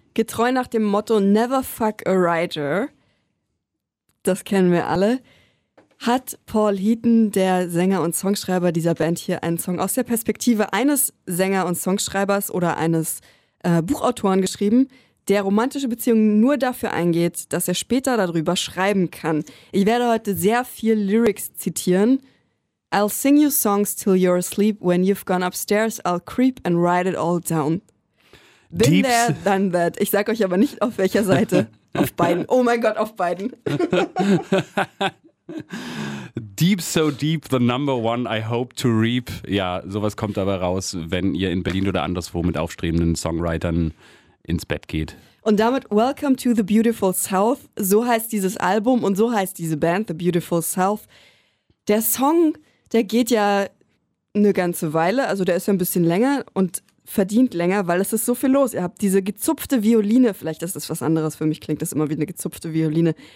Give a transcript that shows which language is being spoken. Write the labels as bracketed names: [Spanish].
[German] Getreu nach dem Motto [English] Never Fuck a Writer, [German] das kennen wir alle, hat Paul Heaton, der Sänger und Songschreiber dieser Band hier, einen Song aus der Perspektive eines Sänger und Songschreibers oder eines Buchautoren geschrieben, der romantische Beziehungen nur dafür eingeht, dass er später darüber schreiben kann. Ich werde heute sehr viel Lyrics zitieren. [English] I'll sing you songs till you're asleep. When you've gone upstairs, I'll creep and write it all down. Been Deeps. There, done that. [German] Ich sag euch aber nicht, auf welcher Seite. Auf beiden. Oh mein Gott, auf beiden. [English] Deep so deep, the number one I hope to reap. [German] Ja, sowas kommt dabei raus, wenn ihr in Berlin oder anderswo mit aufstrebenden Songwritern ins Bett geht. Und damit Welcome to the Beautiful South. So heißt dieses Album und so heißt diese Band, The Beautiful South. Der Song, der geht ja eine ganze Weile, also der ist ja ein bisschen länger und verdient länger, weil es ist so viel los. Ihr habt diese gezupfte Violine, vielleicht ist das was anderes, für mich klingt das immer wie eine gezupfte Violine.